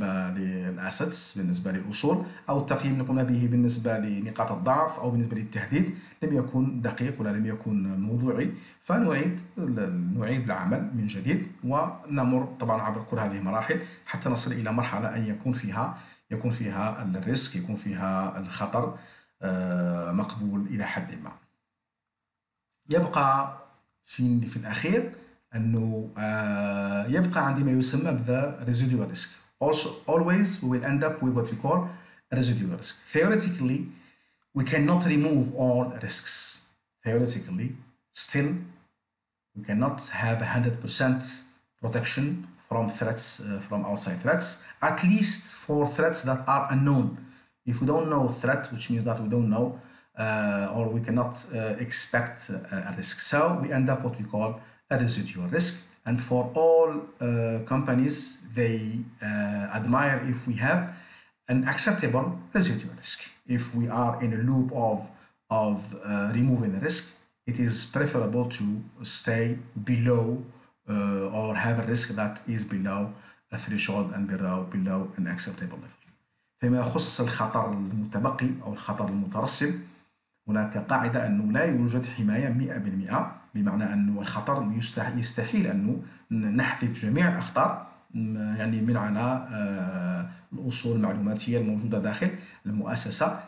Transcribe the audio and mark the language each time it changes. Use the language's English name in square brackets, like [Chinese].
[Arabic] للأسيتس، بالنسبة للأصول، أو التقييم اللي قمنا به بالنسبة لنقاط الضعف أو بالنسبة للتهديد لم يكن دقيق ولا لم يكن موضوعي، فنعيد العمل من جديد، ونمر طبعا عبر كل هذه المراحل حتى نصل إلى مرحلة أن يكون فيها الريسك، يكون فيها الخطر مقبول إلى حد ما. يبقى في الأخير انه يبقى عندي ما يسمى بذا ريزيديوال ريسك. [English] Also always we will end up with what you call residual risk. Theoretically, we cannot remove all risks. Theoretically, still, we cannot have 100% protection from threats, from outside threats, at least for threats that are unknown. If we don't know a threat, which means that we don't know, or we cannot expect a risk. So we end up what we call a residual risk. And for all companies, they admire if we have an acceptable residual risk. If we are in a loop of removing the risk, it is preferable to stay below or have a risk that is below a threshold and below an acceptable level. [Arabic] فيما يخص الخطر المتبقي أو الخطر المترسب، هناك قاعدة أنه لا يوجد حماية 100%، بمعنى أنه الخطر يستحيل أنه نحذف جميع الأخطار يعني من على الأصول المعلوماتية الموجودة داخل المؤسسة.